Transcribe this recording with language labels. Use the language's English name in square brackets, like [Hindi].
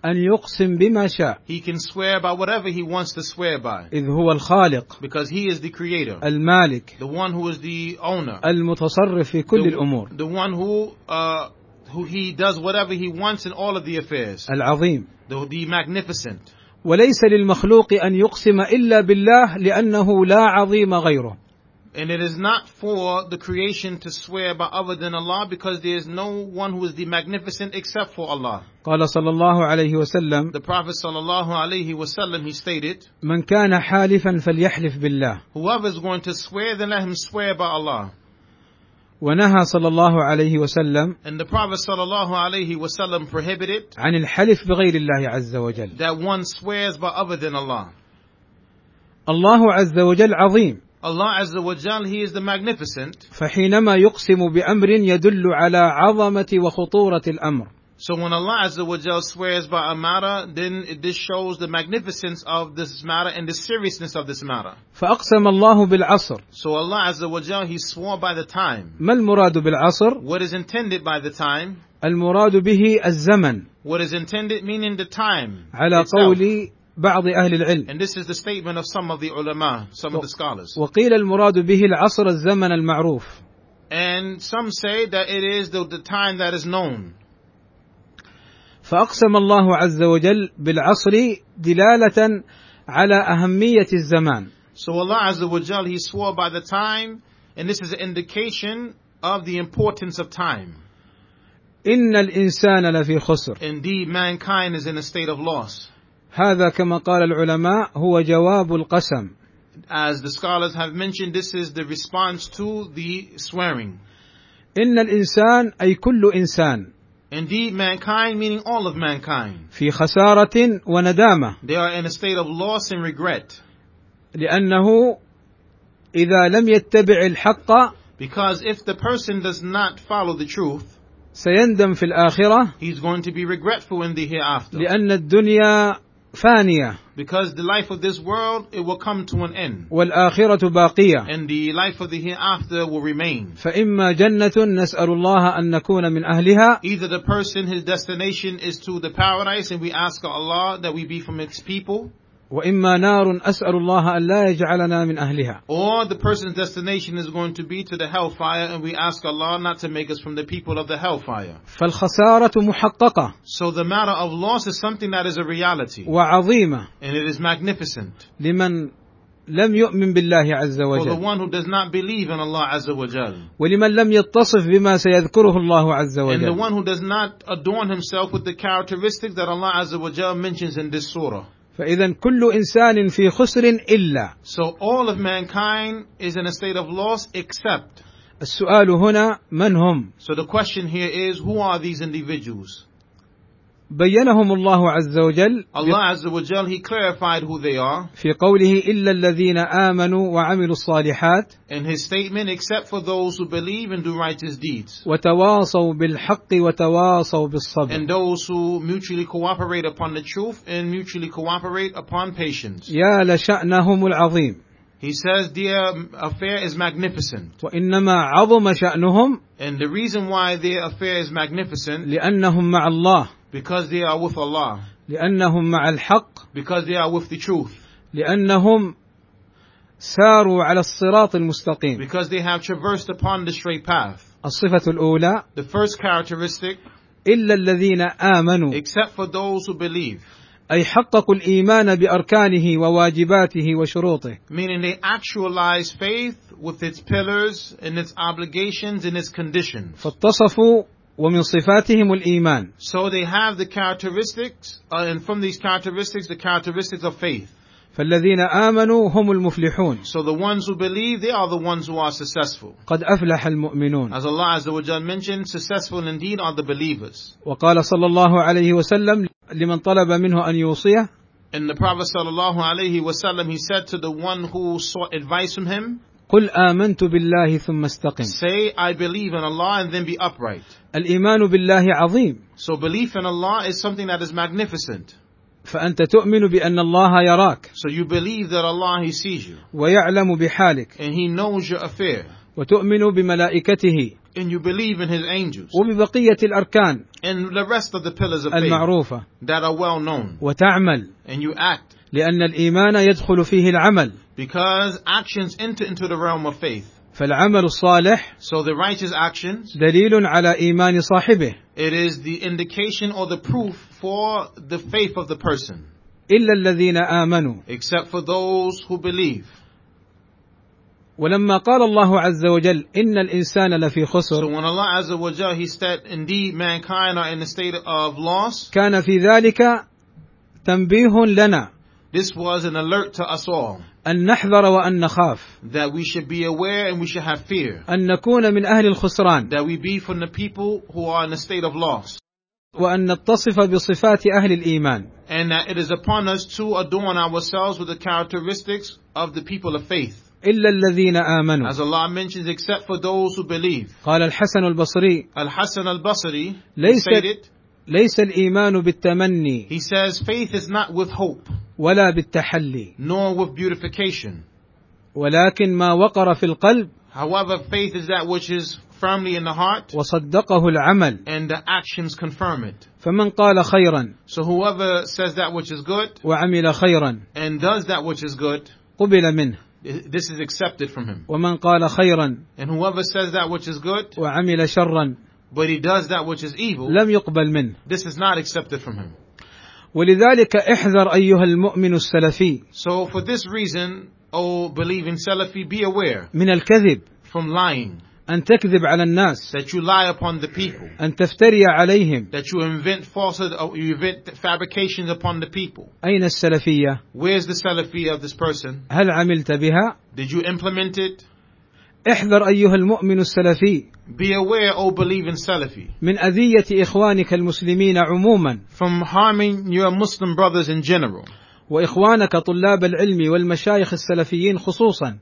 [Arabic] أن يقسم بما شاء. [English] He can swear by whatever he wants to swear by. [Arabic] إذ هو الخالق. [English] Because he is the creator. [Arabic] المالك. [English] The one who is the owner. [Arabic] المتصرف في كل الأمور. [English] The one who he does whatever he wants in all of the affairs. [Arabic] العظيم. [English] The magnificent. [Arabic] وليس للمخلوق أن يقسم إلا بالله لأنه لا عظيم غيره. [English] And it is not for the creation to swear by other than Allah because there is no one who is the magnificent except for Allah. [Arabic] قال صلى الله عليه وسلم [English] The Prophet [Arabic] صلى الله عليه وسلم [English] he stated [Arabic] من كان حالفا فليحلف بالله [English] Whoever is going to swear then let him swear by Allah. [Arabic] ونهى صلى الله عليه وسلم [English] And the Prophet [Arabic] صلى الله عليه وسلم [English] prohibited [Arabic] عن الحلف بغير الله عز وجل [English] That one swears by other than Allah. [Arabic] الله عز وجل عظيم [English] Allah [Arabic] Azza wa Jalla, [English] He is the Magnificent. [Arabic] فحينما يقسم بأمر يدل على عظمة وخطورة الأمر. [English] So when Allah [Arabic] Azza wa Jalla [English] swears by a matter, then this shows the magnificence of this matter and the seriousness of this matter. [Arabic] فأقسم الله بالعصر. [English] So Allah [Arabic] Azza wa Jalla, [English] He swore by the time. [Arabic] ما المراد بالعصر؟ [English] What is intended by the time? [Arabic] المراد به الزمن. [English] What is intended meaning the time. [Arabic] على قولي بعض أهل العلم. [English] And this is the statement of some of the ulama, some of the scholars. [Arabic] وقيل المراد به العصر الزمن المعروف. [English] And some say that it is the time that is known. [Arabic] ف فأقسم الله عز وجل بالعصر دلالة على أهمية الزمان. [English] So Allah [Arabic] Azza wa Jal, [English] He swore by the time, and this is an indication of the importance of time. [Arabic] إن الإنسان لفي خسر. [English] Indeed, mankind is in a state of loss. [Arabic] هذا كما قال العلماء هو جواب القسم. [English] As the scholars have mentioned, this is the response to the swearing. [Arabic] إن الإنسان أي كل إنسان. [English] Indeed, mankind, meaning all of mankind. [Arabic] في خسارة وندامة. [English] They are in a state of loss and regret. [Arabic] لأنه إذا لم يتبع الحق. [English] Because if the person does not follow the truth. [Arabic] سيندم في الآخرة. [English] He's going to be regretful in the hereafter. [Arabic] لأن الدنيا فانية. [English] Because the life of this world, it will come to an end. [Arabic] والآخرة باقية. [English] And the life of the hereafter will remain. [Arabic] فإما جنة نسأل الله أن نكون من أهلها. [English] Either the person, his destination is to the paradise, and we ask Allah that we be from its people. [Arabic] وإما نار أسأل الله أن لا يجعلنا من أهلها. [English] Or the person's destination is going to be to the hellfire, and we ask Allah not to make us from the people of the hellfire. [Arabic] فالخسارة محققة. [English] So the matter of loss is something that is a reality. [Arabic] وعظيمة. [English] And it is magnificent. [Arabic] لمن لم يؤمن بالله عز وجل. [English] For the one who does not believe in Allah [Arabic] عز وجل. ولمن لم يتصف بما سيذكره الله عز وجل. [English] And the one who does not adorn himself with the characteristics that Allah [Arabic] عز وجل [English] mentions in this surah. [Arabic] فإذا كل إنسان في خسر إلا. [English] So all of mankind is in a state of loss except. [Arabic] السؤال هنا من هم؟ [English] So the question here is who are these individuals? [Arabic] بينهم الله عز وجل. [English] Allah [Arabic] عز وجل [English] he clarified who they are. [Arabic] في قوله إلا الذين آمنوا وعملوا الصالحات. [English] In his statement except for those who believe and do righteous deeds. [Arabic] وتواصوا بالحق وتواصوا بالصبر. [English] And those who mutually cooperate upon the truth and mutually cooperate upon patience. [Arabic] يا لشأنهم العظيم. [English] He says their affair is magnificent. [Arabic] وإنما عظم شأنهم. [English] And the reason why their affair is magnificent. [Arabic] لأنهم مع الله. [English] Because they are with Allah. [Arabic] لأنهم مع الحق. [English] Because they are with the truth. [Arabic] لأنهم ساروا على الصراط المستقيم. [English] Because they have traversed upon the straight path. [Arabic] الصفة الأولى. [English] The first characteristic. [Arabic] إلا الذين آمنوا. [English] Except for those who believe. [Arabic] أي حققوا الإيمان بأركانه وواجباته وشروطه. [English] Meaning they actualize faith with its pillars and its obligations and its conditions. [Arabic] فاتصفوا ومن صفاتهم الإيمان. [English] So they have the characteristics, and from these characteristics, the characteristics of faith. [Arabic] فالذين آمنوا هم المفلحون. [English] So the ones who believe, they are the ones who are successful. [Arabic] قد أفلح المؤمنون. [English] As Allah [Arabic] Azza wa Jalla [English] mentioned, successful indeed are the believers. [Arabic] وقال صلى الله عليه وسلم لمن طلب منه أن يوصيه. [English] And the Prophet [Arabic] صلى الله عليه وسلم, [English] he said to the one who sought advice from him. [Arabic] قل آمنت بالله ثم استقم. [English] Say I believe in Allah and then be upright. [Arabic] الإيمان بالله عظيم. [English] So belief in Allah is something that is magnificent. [Arabic] فأنت تؤمن بأن الله يراك. [English] So you believe that Allah he sees you. [Arabic] ويعلم بحالك. [English] And he knows your affair. [Arabic] وتؤمن بملائكته. [English] And you believe in his angels. [Arabic] وببقية الأركان. [English] And the rest of the pillars of faith. [Arabic] المعروفة. [English] That are well known. [Arabic] وتعمل. [English] And you act. [Arabic] لأن الإيمان يدخل فيه العمل. [English] Because actions enter into the realm of faith. [Arabic] فالعمل الصالح. [English] So the righteous actions. [Arabic] دليل على إيمان صاحبه. [English] It is the indication or the proof for the faith of the person. [Arabic] إلا الذين آمنوا. [English] Except for those who believe. [Arabic] ولما قال الله عز وجل إن الإنسان لفي خسر. [English] So when Allah [Arabic] عز وجل [English] he said indeed mankind are in a state of loss. [Arabic] كان في ذلك تنبيه لنا. [English] This was an alert to us all. [Arabic] أن نحذر وأن نخاف. [English] That we should be aware and we should have fear. [Arabic] أن نكون من أهل الخسران. [English] That we be from the people who are in a state of loss. [Arabic] وأن نتصف بصفات أهل الإيمان. [English] And that it is upon us to adorn ourselves with the characteristics of the people of faith. [Arabic] إلا الذين آمنوا. [English] As Allah mentions, except for those who believe. [Arabic] قال الحسن البصري. الحسن البصري. ليس الإيمان بالتمني. [English] He says, faith is not with hope. [Arabic] ولا بالتحلي. [English] Nor with beautification. [Arabic] ولكن ما وقر في القلب. [English] However, faith is that which is firmly in the heart. [Arabic] وصدقه العمل. [English] And the actions confirm it. [Arabic] فمن قال خيرا. [English] So whoever says that which is good. [Arabic] وعمل خيرا. [English] And does that which is good. [Arabic] قبل منه. [English] This is accepted from him. [Arabic] ومن قال خيرا. [English] And whoever says that which is good. [Arabic] وعمل شرا. [English] But he does that which is evil. [Arabic] لم يقبل منه. [English] This is not accepted from him. [Arabic] ولذلك احذر أيها المؤمن السلفي. [English] So for this reason, O believing Salafi, be aware. [Arabic] من الكذب. [English] From lying. [Arabic] أن تكذب على الناس. [English] That you lie upon the people. [Arabic] أن تفتري عليهم. [English] That you invent falsehood or you invent fabrications upon the people. [Arabic] أين السلفية؟ [English] Where's the Salafi of this person? [Arabic] هل عملت بها؟ [English] Did you implement it? [Arabic] احذر أيها المؤمن السلفي. [English] Be aware, O believing Salafi. [Arabic] من أذية إخوانك المسلمين عموما. [English] From harming your Muslim brothers in general. [Arabic] وإخوانك طلاب العلم والمشايخ السلفيين خصوصا.